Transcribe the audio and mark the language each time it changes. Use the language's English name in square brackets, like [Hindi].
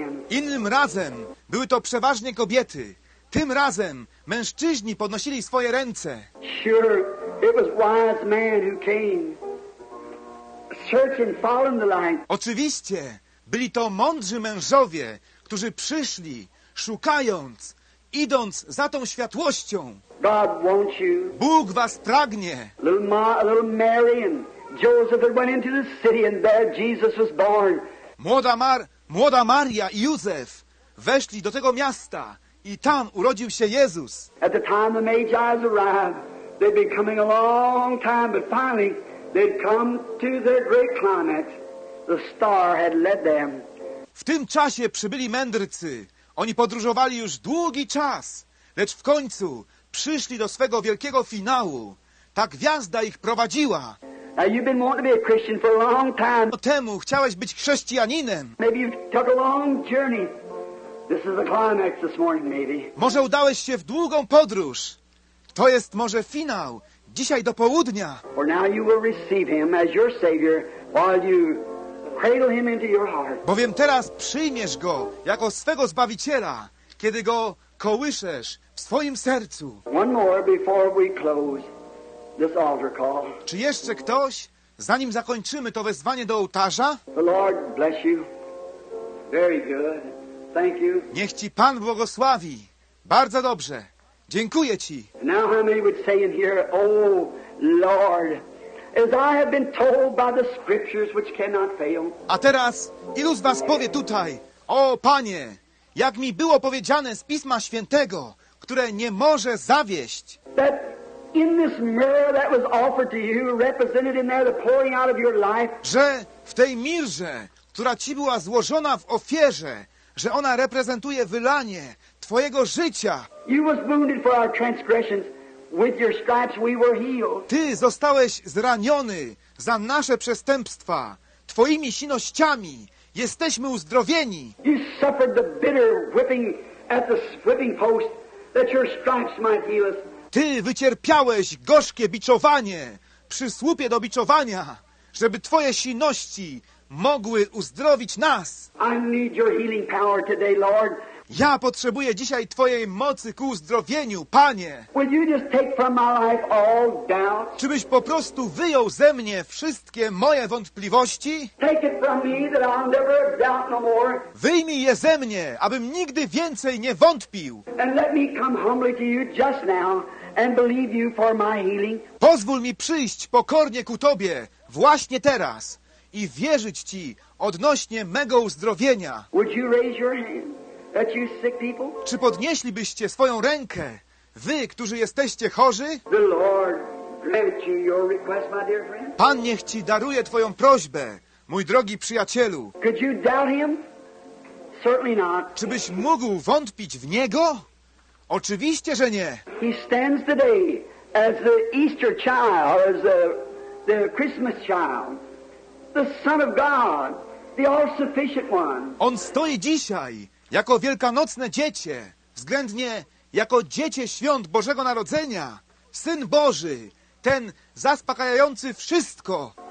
[Polish] Innym razem były to przeważnie kobiety. tym razem mężczyźni podnosili swoje ręce. [English] Sure, it was wise man who came, searching, following the light. [Polish] Oczywiście, byli to mądrzy mężowie, którzy przyszli, szukając, idąc za tą światłością. [English] God wants you. [Polish] Bóg was pragnie. [English] Little Mary and Joseph that went into the city and there Jesus was born. [Polish] Młoda Maria i Józef weszli do tego miasta i tam urodził się Jezus. [English] At the time the Magi arrived, they'd been coming a long time, but finally they'd come to their great climax. The star had led them. [Polish] W tym czasie przybyli mędrcy. Oni podróżowali już długi czas, lecz w końcu przyszli do swego wielkiego finału. Ta gwiazda ich prowadziła. [English] Now you've been wanting to be a Christian for a long time. [Polish] No temu chciałeś być chrześcijaninem. [English] Maybe you took a long journey. This is the climax this morning, maybe. [Polish] Może udałeś się w długą podróż. To jest może finał. Dzisiaj do południa. [English] For now you will receive him as your savior while you cradle him into your heart. [Polish] Bowiem teraz przyjmiesz go jako swego zbawiciela, kiedy go kołyszesz w swoim sercu. [English] One more before we close. This altar call. [Polish] Czy jeszcze ktoś, zanim zakończymy to wezwanie do ołtarza? [English] The Lord bless you. Very good. Thank you. [Polish] Niech ci Pan błogosławi. Bardzo dobrze. Dziękuję ci. [English] Now how many would say in here, oh Lord, as I have been told by the scriptures which cannot fail. [Polish] A teraz ilu z was powie tutaj, o Panie, jak mi było powiedziane z Pisma Świętego, które nie może zawieść. [English] That in this mirror that was offered to you, represented in there the pouring out of your life. [Polish] Że w tej mirze, która ci była złożona w ofierze, że ona reprezentuje wylanie twojego życia. [English] You was wounded for our transgressions, with your stripes we were healed. [Polish] Ty zostałeś zraniony za nasze przestępstwa, twoimi sinościami jesteśmy uzdrowieni. [English] You suffered the bitter whipping at the whipping post that your stripes might heal us. [Polish] Ty wycierpiałeś gorzkie biczowanie przy słupie do biczowania, żeby twoje sinności mogły uzdrowić nas. [English] I need your healing power today, Lord. [Polish] Ja potrzebuję dzisiaj twojej mocy ku uzdrowieniu, Panie. [English] Will you just take from my life all doubts? [Polish] Czybyś po prostu wyjął ze mnie wszystkie moje wątpliwości? [English] Take it from me that I'll never doubt no more. [Polish] Wyjmij je ze mnie, abym nigdy więcej nie wątpił. [English] And let me come humbly to you just now and believe you for my healing. [Polish] Pozwól mi przyjść pokornie ku tobie właśnie teraz i wierzyć ci odnośnie mego uzdrowienia. [English] Would you raise your hand? That you sick people? [Polish] Czy podnieślibyście swoją rękę, wy, którzy jesteście chorzy? [English] The Lord grant you your request, my dear friend. [Polish] Pan niech ci daruje twoją prośbę, mój drogi przyjacielu. [English] Could you doubt him? Certainly not. [Polish] Czy byś mógł wątpić w Niego? Oczywiście, że nie. [English] He stands today as the Easter child, as the Christmas child, the Son of God, the all-sufficient one. [Polish] On stoi dzisiaj jako wielkanocne dziecię, względnie jako dziecię świąt Bożego Narodzenia, Syn Boży, ten zaspokajający wszystko.